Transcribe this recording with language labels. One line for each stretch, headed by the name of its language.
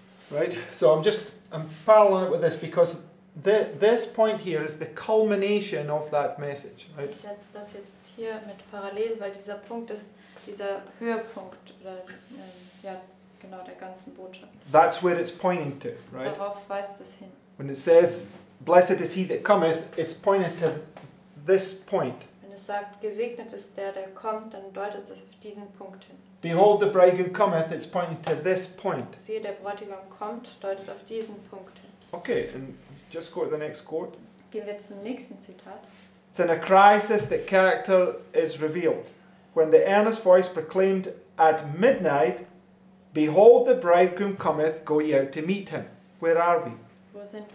English: Right, so I'm paralleling it with this because this point here is the culmination of that message. Right?
German: Ich setze das jetzt hier mit parallel, weil dieser Punkt ist dieser Höhepunkt oder ja genau der ganzen Botschaft.
English: That's where it's pointing to, right?
German: Darauf weist es hin.
English: When it says, "Blessed is he that cometh," it's pointing to this point.
German: Wenn es sagt, "Gesegnet ist der, der kommt," dann deutet es auf diesen Punkt hin.
English: Behold, the bridegroom cometh. It's pointing to this point.
German: Siehe, der Bräutigam kommt, deutet auf diesen Punkt hin.
English: Okay, and just go to the next quote.
German: Gehen wir zum nächsten Zitat.
English: It's in a crisis that character is revealed. when the earnest voice proclaimed at midnight, "Behold, the bridegroom cometh, go ye out to meet him." Where are we?